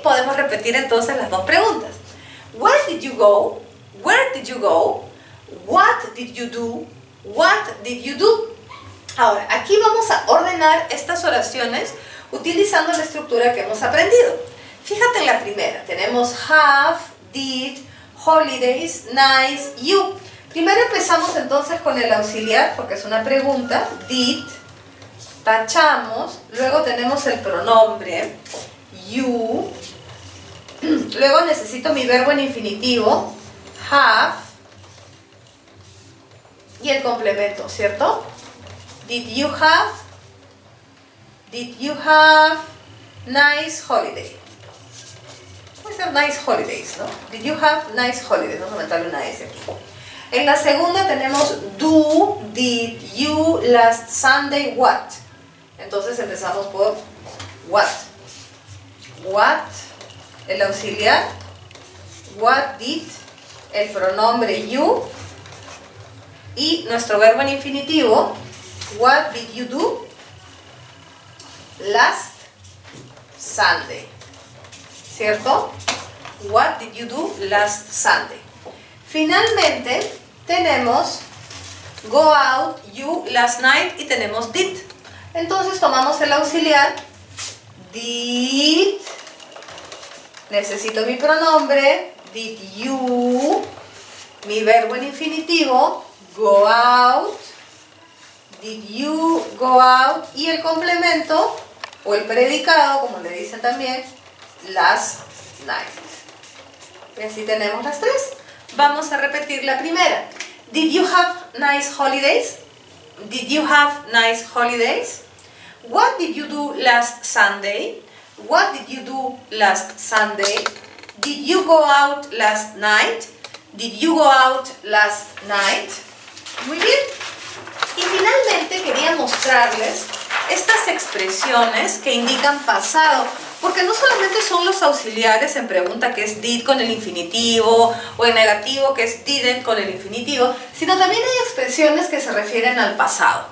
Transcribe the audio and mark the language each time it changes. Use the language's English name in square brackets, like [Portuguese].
[Spanish] Podemos repetir entonces las dos preguntas. [English] Where did you go? Where did you go? What did you do? What did you do? [Spanish] Ahora, aquí vamos a ordenar estas oraciones utilizando la estructura que hemos aprendido. Fíjate en la primera. Tenemos [English] have, did, holidays, nice, you. [Spanish] Primero empezamos entonces con el auxiliar, porque es una pregunta. Did, tachamos, luego tenemos el pronombre, you. Luego necesito mi verbo en infinitivo, have, y el complemento, ¿cierto? [English] Did you have? Did you have nice holiday? [Spanish] Puede ser [English] nice holidays, [Spanish] ¿no? [English] Did you have nice holidays? [Spanish] Vamos a meterle una S aquí. En la segunda tenemos [English] do, did you last Sunday what? [Spanish] Entonces empezamos por what. What. El auxiliar, [English] what did, [Spanish] el pronombre you, y nuestro verbo en infinitivo, [English] what did you do last Sunday, [Spanish] ¿cierto? [English] What did you do last Sunday. [Spanish] Finalmente, tenemos [English] go out you last night [Spanish] y tenemos [English] did. [Spanish] Entonces, tomamos el auxiliar, did. Necesito mi pronombre, [English] did you, [Spanish] mi verbo en infinitivo, [English] go out, did you go out, [Spanish] y el complemento, o el predicado, como le dicen también, [English] last night. [Spanish] Y así tenemos las tres. Vamos a repetir la primera. [English] Did you have nice holidays? Did you have nice holidays? What did you do last Sunday? What did you do last Sunday? Did you go out last night? Did you go out last night? [Spanish] Muy bien. Y finalmente quería mostrarles estas expresiones que indican pasado Porque no solamente son los auxiliares en pregunta, que es did con el infinitivo, o en negativo, que es didn't con el infinitivo, sino también hay expresiones que se refieren al pasado.